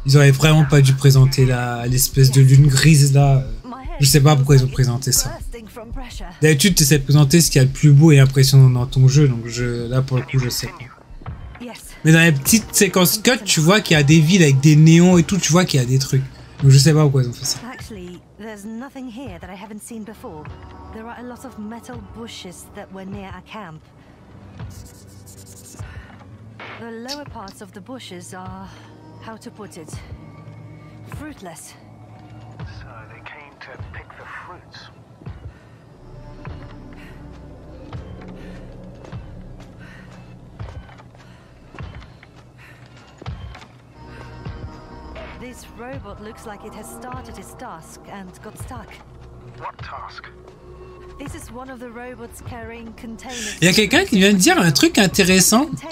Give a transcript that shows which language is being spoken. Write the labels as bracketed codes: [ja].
[fr] Ils auraient vraiment pas dû présenter l'espèce de lune grise là. Je sais pas pourquoi ils ont présenté ça. D'habitude, tu essaies de présenter ce qu'il y a de plus beau et impressionnant dans ton jeu, donc là pour le coup, je sais pas. Mais dans les petites séquences cut, tu vois qu'il y a des villes avec des néons et tout, tu vois qu'il y a des trucs. Donc je sais pas pourquoi ils ont fait ça. [en] There's nothing here that I haven't seen before. There are a lot of metal bushes that were near our camp. The lower parts of the bushes are, how to put it, fruitless. So they came to pick the fruits. This robot looks like it has started its task and got stuck. What task? This is one of the robots carrying containers. [fr] Il y a quelqu'un qui vient de dire un truc intéressant.